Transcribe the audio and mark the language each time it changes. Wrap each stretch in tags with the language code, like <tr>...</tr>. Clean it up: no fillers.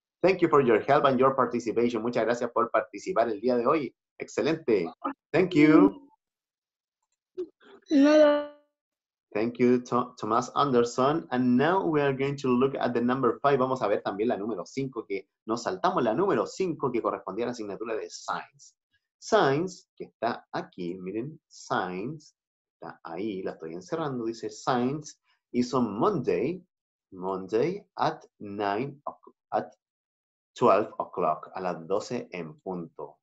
<en>Thank you for your help and your participation.</en> <es>Muchas gracias por participar el día de hoy. Excelente.</es> <en>Thank you.</en> <es>Nada.</es> <en>Thank you, Tomás Anderson. And now we are going to look at the number 5.</en> <es>Vamos a ver también la número 5, que nos saltamos la número 5, que correspondía a la asignatura de Science. Science, que está aquí, miren, Science, está ahí, la estoy encerrando, dice Science,</es> <en>is on Monday at 9 o'clock, at 12 o'clock,</en> <es>a las 12 en punto.</es>